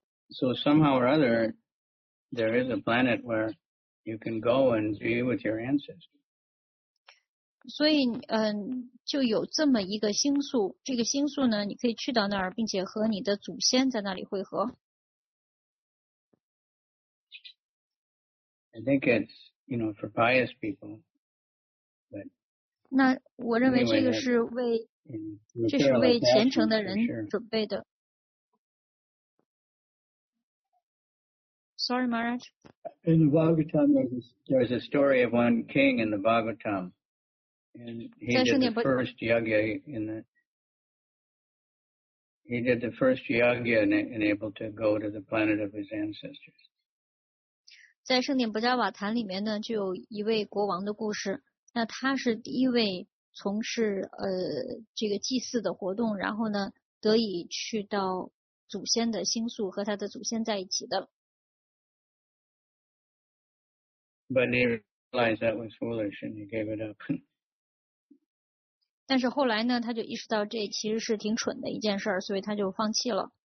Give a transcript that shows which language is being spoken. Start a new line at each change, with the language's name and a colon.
English: So somehow or other, there is a planet where you can go and be with your ancestors.
Chinese: 所以就有这么一个星宿，这个星宿呢你可以去到那儿，并且和你的祖先在那里会合。
English: I think it's, you know, for pious people, but
Chinese: 那我认为这个是为
English: anyway,
Chinese: 这是为虔诚的人准备的。
English: Sorry, Maharaj. In the Bhagavatam, there's a story of one king in the Bhagavatam. And he did the first yagya in the, and able to go to the planet of his ancestors.
Chinese: 在圣典不加瓦坛里面呢，就有一位国王的故事。那他是第一位从事这个祭祀的活动，然后呢得以去到祖先的星宿和他的祖先在一起的。
English: But he realized that was foolish and he gave it up.
Chinese: 但是后来呢，他就意识到这其实是挺蠢的一件事儿，所以他就放弃了。